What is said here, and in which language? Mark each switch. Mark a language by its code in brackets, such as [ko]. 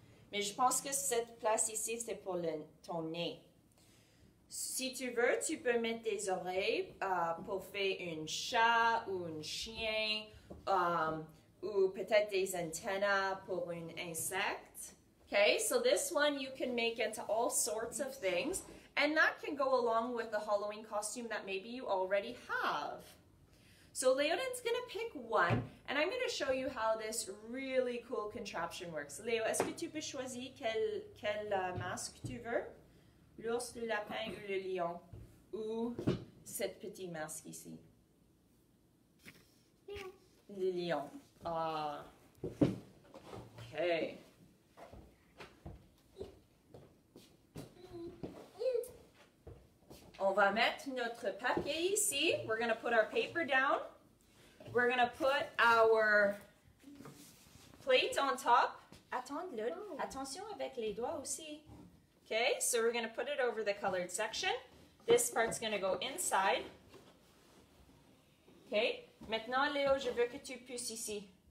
[fr] Mais je pense que cette place ici, c'est pour ton nez. Si tu veux, tu peux mettre des oreilles pour faire un chat ou un chien. Ou peut-être des antennes pour un insecte. [en] Okay, so this one you can make into all sorts of things. And that can go along with the Halloween costume that maybe you already have. So Leoden's going to pick one. And I'm going to show you how this really cool contraption works. [fr] Leo, est-ce que tu peux choisir quel masque tu veux? L'ours, le lapin ou le lion? Ou cette petite masque ici? Le lion. Okay. On va mettre notre papier ici. [en] We're going to put our paper down. We're going to put our plate on top. [fr] Attention avec les doigts aussi. [en] Okay, so we're going to put it over the colored section. This part's going to go inside. [fr] Okay, maintenant Léo, je veux que tu puisses ici.